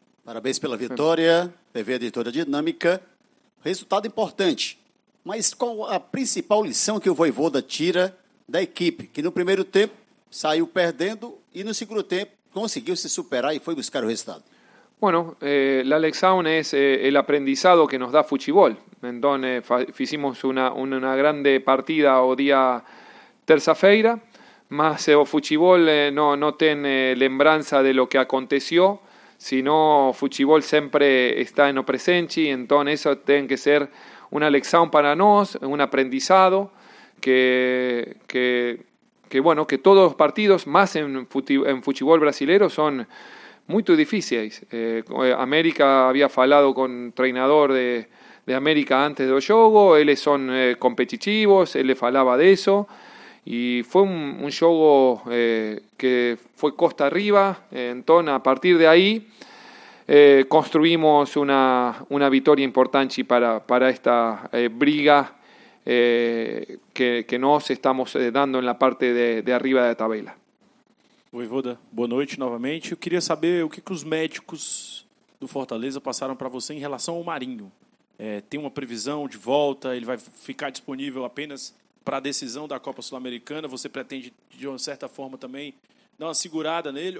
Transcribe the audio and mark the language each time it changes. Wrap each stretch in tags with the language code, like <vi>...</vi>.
<pt>Parabéns pela vitória, TV Editora Dinâmica. Resultado importante, mas qual a principal lição que o Vojvoda tira da equipe, que no primeiro tempo saiu perdendo e no segundo tempo conseguiu se superar e foi buscar o resultado?</pt> <es>Bueno, la lección es el aprendizado que nos da futebol.</es> <pt>Então, fizemos una grande partida o día terça-feira, mas o futebol no tem lembrança de</pt> <es>lo que aconteció. Si no, futebol siempre está en lo presente, entonces eso tiene que ser una lección para nosotros, un aprendizado, que bueno, que todos los partidos, más en futebol brasileño, son muy difíciles. América había hablado con el entrenador de América antes del juego, ellos son competitivos, él le hablaba de eso, y fue un juego que fue costa arriba, entonces a partir de ahí construimos una victoria importante para esta briga que nos estamos dando en la parte de arriba de la tabla.</es> <pt>Vojvoda, boa noite novamente. Eu queria saber o que, que os médicos do Fortaleza passaram para você em relação ao Marinho. Tem uma previsão de volta, ele vai ficar disponível apenas para a decisão da Copa Sul-Americana? Você pretende, de uma certa forma, também dar uma segurada nele?</pt>